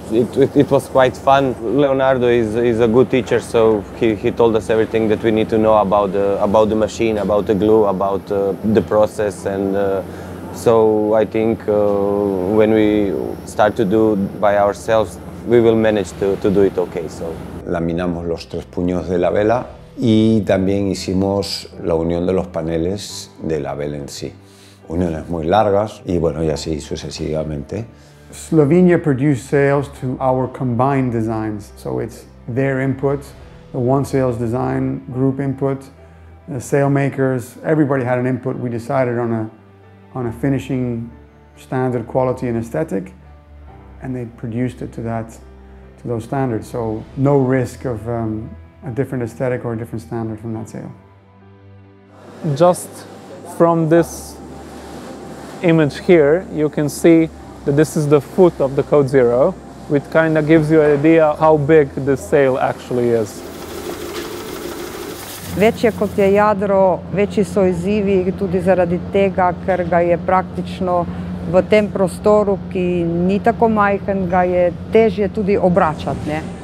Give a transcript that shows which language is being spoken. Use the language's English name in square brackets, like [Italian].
[English] It was quite fun. Leonardo is a good teacher, so he told us everything that we need to know about the machine, about the glue, about the process and. So I think when we start to do by ourselves, we will manage to do it okay. So [Spanish] laminamos los tres puños de la vela y también hicimos la unión de los paneles de la vela en sí. Uniones muy largas y bueno, y así sucesivamente. [English] Slovenia produced sails to our combined designs. So it's their input, the OneSails design group input, the sail makers, everybody had an input. We decided on a finishing standard quality and aesthetic, and they produced it to those standards. So no risk of a different aesthetic or a different standard from that sail. Just from this image here, you can see that this is the foot of the Code0, which kind of gives you an idea how big this sail actually is. [Slovenian] Večje kot je jadro, večji so izzivi tudi zaradi tega, ker ga je praktično v tem prostoru, ki ni tako majhen, ga je težje tudi obračati, ne.